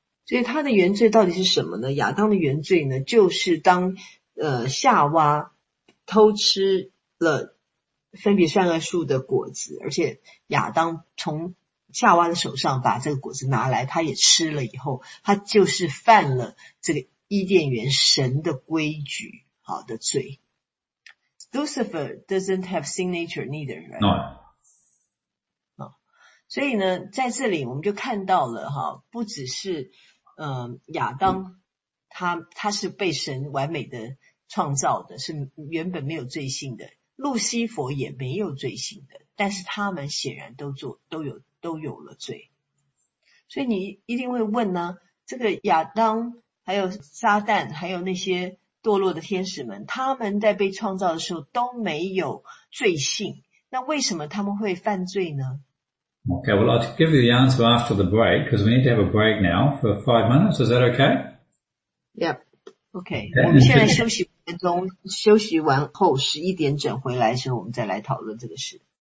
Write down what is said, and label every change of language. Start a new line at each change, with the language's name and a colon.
Chinese: 所以他的原罪到底是什么呢？亚当的原罪呢，就是当夏娃偷吃了分别善恶树的果子，而且亚当从夏娃的手上把这个果子拿来，他也吃了以后，他就是犯了这个伊甸园神的规矩，好的罪。
English: Lucifer doesn't have sin nature neither, right? No.
Chinese: 所以呢，在这里我们就看到了哈，不只是亚当，他是被神完美的创造的，是原本没有罪性的，路西佛也没有罪性的，但是他们显然都有了罪。所以你一定会问呢，这个亚当还有撒旦还有那些堕落的天使们，他们在被创造的时候都没有罪性，那为什么他们会犯罪呢？
English: Okay, well, I'll give you the answer after the break, because we need to have a break now for 5 minutes. Is that okay? Yep. Okay.
Chinese: 我们现在休息5分钟，休息完后11点整回来的时候，我们再来讨论这个事。